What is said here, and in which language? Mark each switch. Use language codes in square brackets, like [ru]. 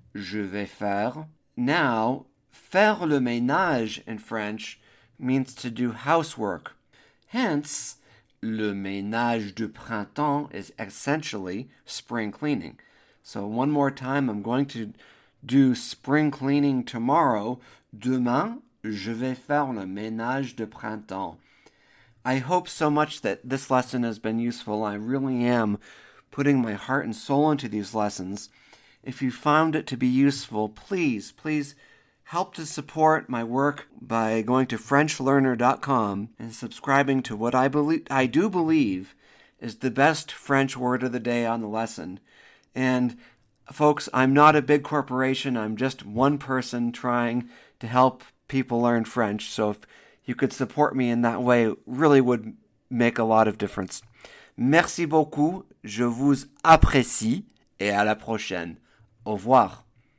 [fr] Je vais faire. [en] Now, [fr] faire le ménage [en] in French means to do housework. Hence, [fr] le ménage du printemps [en] is essentially spring cleaning. So one more time, I'm going to do spring cleaning tomorrow. [fr] Demain, je vais faire le ménage du printemps. [en] I hope so much that this lesson has been useful. I really am putting my heart and soul into these lessons. If you found it to be useful, please, please help to support my work by going to FrenchLearner.com and subscribing to what I do believe is the best French word of the day on the lesson. And folks, I'm not a big corporation. I'm just one person trying to help people learn French. So if you could support me in that way, it really would make a lot of difference. [fr] Merci beaucoup. Je vous apprécie. Et à la prochaine. Au revoir.